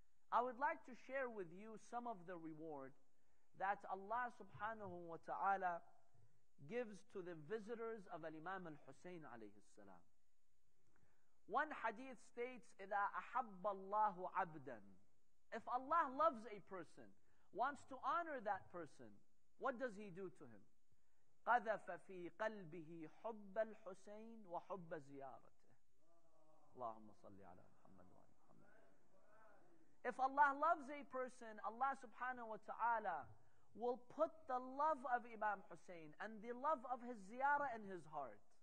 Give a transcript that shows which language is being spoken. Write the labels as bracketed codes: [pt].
[en] I would like to share with you some of the reward that Allah subhanahu wa ta'ala gives to the visitors of Al-Imam Al-Hussein alayhi salam. One hadith states, [ar] إِذَا أَحَبَّ اللَّهُ عَبْدًا. [en] If Allah loves a person, wants to honor that person, what does he do to him? [ar] قَذَفَ فِي قَلْبِهِ حُبَّ الْحُسَيْنِ وَحُبَّ زِيَارَتِهِ. اللهم صلي على محمد وعلى محمد. [en] If Allah loves a person, Allah subhanahu wa ta'ala will put the love of Imam Hussein and the love of his ziyarah in his heart.